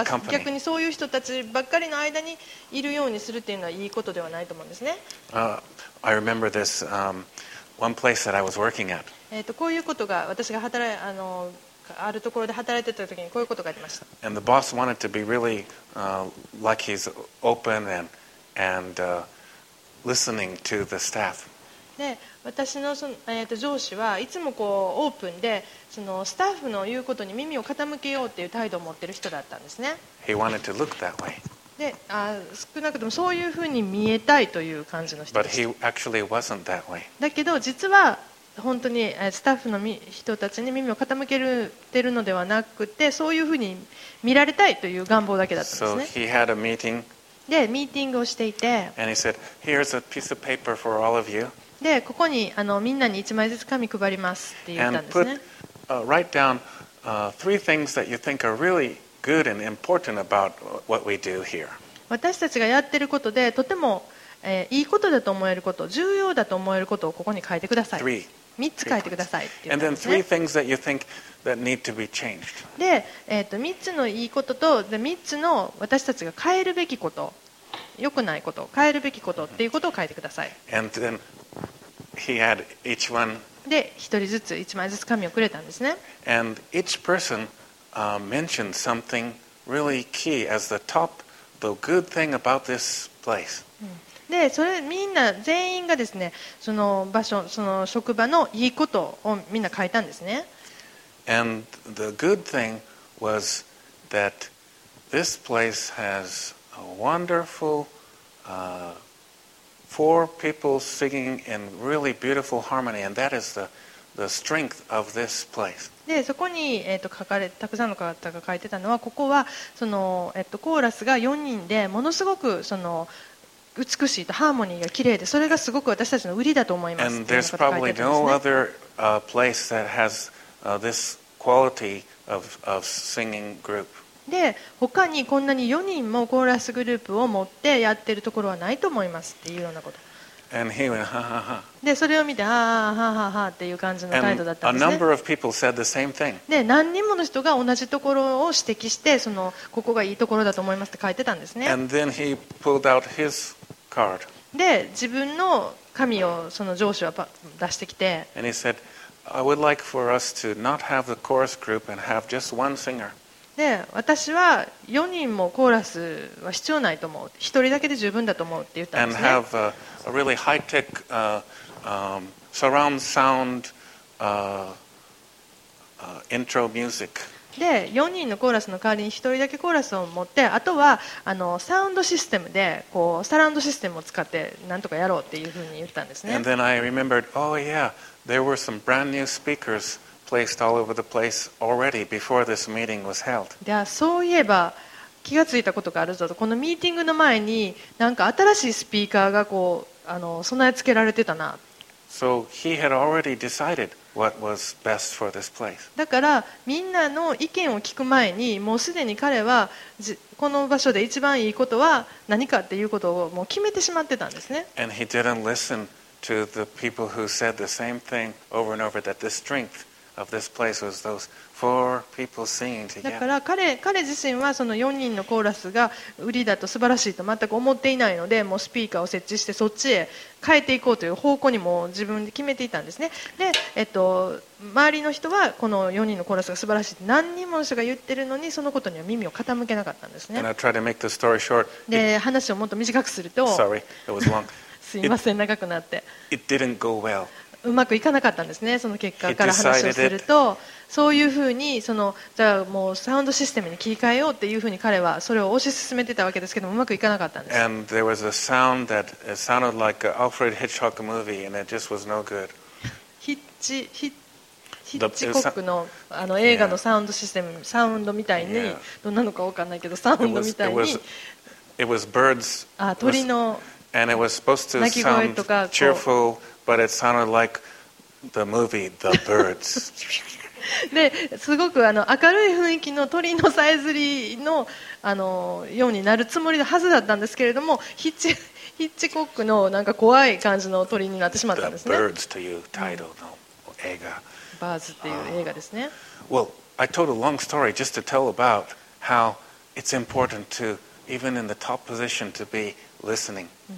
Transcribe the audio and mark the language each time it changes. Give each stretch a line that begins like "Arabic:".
Japanese: 逆にそういう人たちばっかりの間にいるようにするっていうのはいいことではないと思うんですね。
English: I remember this one place that I was working at.
Japanese: こういうことが私が働いてあるところで働いてた時にこういうことがありました。
English: And the boss wanted to be really like he's open and listening to the staff.
Japanese: で私 の, その、上司はいつもこうオープンでそのスタッフの言うことに耳を傾けようという態度を持っている人だったんですね。
English: He wanted to look that way.
Japanese: で少なくともそういうふうに見えたいという感じの人でした。
English: But he actually wasn't that way.
Japanese: だけど実は本当にスタッフの人たちに耳を傾けてるのではなくてそういうふうに見られたいという願望だけだったんですね。
English: So he had a meeting.
Japanese: でミーティングをしていて
English: And he said, here's a piece of paper for all of you.
Japanese: でここにみんなに1枚ずつ紙配りますって言ったんですね。
English: And put, write down, three things that you think are really good and important about what we do here.
Japanese: 私たちがやってることでとても、いいことだと思えること重要だと思えることをここに書いてください。
English: Three.
Japanese: 3つ書いてくださいって言ったんですね。
English: And then three things that you think that need to be changed.
Japanese: で、3つのいいことと3つの私たちが変えるべきこと良くないこと変えるべきことっていうことを書いてください。
English: And thenHe had each one.
Japanese: で一人ずつ一枚ずつ紙をくれたんですね。
English: And each person mentioned something really key as the top, the good thing about this place.
Japanese: でそれみんな全員がですね、その場所その職場のいいことをみんな書いたんですね。
English: And the good thing was that this place has a wonderful. Four people singing in really beautiful harmony, and that is the strength of this place.
Japanese: で、そこに、書かれたくさんの方が書いてたのは、ここはその、コーラスが4人でものすごくその美しいとハーモニーが綺麗で、それがすごく私たちの売りだと思います。
English: And there's probably no other place that has this quality of singing group.
Japanese: で他にこんなに4人もコーラスグループを持ってやってるところはないと思いますっていうようなこと。
English: And he went, ha, ha, ha.
Japanese: でそれを見てはははははっていう感じの態度だったんですね。
English: And a number of people said the same thing.
Japanese: で何人もの人が同じところを指摘してそのここがいいところだと思いますって書いてたんですね。
English: And then he pulled out his card.
Japanese: で自分の紙をその上司は出してきて。
English: And he said, I would like for us to not have the chorus group and have just one singer.
Japanese: で私は4人もコーラスは必要ないと思う1人だけで十分だと思うって言ったんですね。
English: And have a really high-tech surround sound intro music.
Japanese: で4人のコーラスの代わりに1人だけコーラスを持ってあとはサウンドシステムでこうサラウンドシステムを使ってなんとかやろうっていうふうに言ったんですね。
English: And then I remembered, oh yeah, there were some brand new speakers. Placed all over the place already before this meeting was held.
Japanese: ではそういえば気がついたことがあるぞとこのミーティングの前になんか新しいスピーカーがこう備え付けられてたな。
English: So he had already decided what was best for this place.
Japanese: だからみんなの意見を聞く前にもうすでに彼はこの場所で一番いいことは何かっていうことをもう決めてしまってたんですね。
English: And he didn't listen to the people who said the same thing over and over that the strength of this place was those four people singing together.
Japanese: だから彼自身はその4人のコーラスが売りだと素晴らしいと全く思っていないので、もうスピーカーを設置してそっちへ変えていこうという方向にも自分で決めていたんですね。で、周りの人はこの4人のコーラスが素晴らしいと何人もの人が言ってるのに、そのことには耳を傾けなかったんですね。
English: And I tried to make the story short.
Japanese: で、話をもっと短くすると、
English: Sorry, it was long.
Japanese: すいません、長くなって。
English: It didn't go well.
Japanese: うまくいかなかったんですね。その結果から話をすると、そういうふうにそのじゃあもうサウンドシステムに切り替えようっていうふうに彼はそれを推し進めてたわけですけども、うまくいかなかったんです。
English: And there was a sound that sounded like an Alfred Hitchcock movie and it just was no good.
Japanese: ヒッチコックの、 あの映画のサウンドシステム、サウンドみたいに、どんなのかわかんないけどサウンドみたいに
English: it was birds,
Japanese: 鳥の鳴き声とか、
English: And it was supposed to sound cheerfulBut it sounded like the movie, The Birds.
Japanese: で、すごくあの明るい雰囲気の鳥のさえずりの、 あのようになるつもりのはずだったんですけれども、ヒッチコックのなんか怖い感じの鳥になってしまったんですね。 The Birds というタイトルの映画。バーズっていう映画ですね。
English: Well, I told a long story just to tell about how it's important to, even in the top position, to be listening.